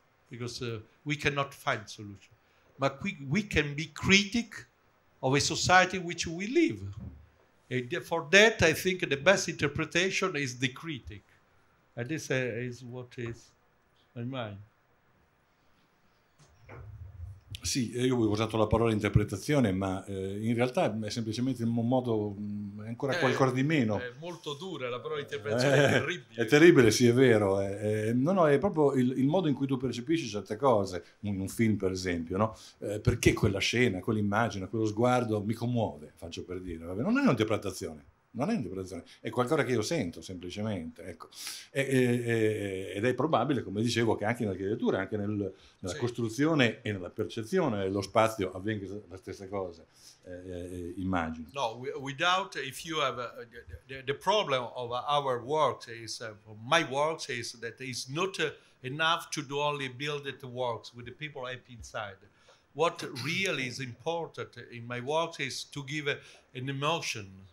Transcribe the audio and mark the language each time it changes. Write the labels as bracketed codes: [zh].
[en] Because we cannot find solution, but we can be critic of a society in which we live. And for that, I think the best interpretation is the critic, and this is what is my mind. [it] Sì, io ho usato la parola interpretazione, ma in realtà è semplicemente un modo, è ancora qualcosa di meno. È molto dura la parola interpretazione, è terribile. È terribile, sì, è vero. No, è proprio il modo in cui tu percepisci certe cose, in un film per esempio, no? Perché quella scena, quell'immagine, quello sguardo mi commuove, faccio per dire. Vabbè, non è un'interpretazione. Non è un'interpretazione, è qualcosa che io sento semplicemente, ecco. Ed è probabile, come dicevo, che anche nell'architettura, anche nella sì. costruzione e nella percezione dello spazio avvenga la stessa cosa, immagino. [en] No, without if you have the problem of our works is my works is that it's not enough to do only build it works with the people happy inside. What really is important in my works is to give an emotion.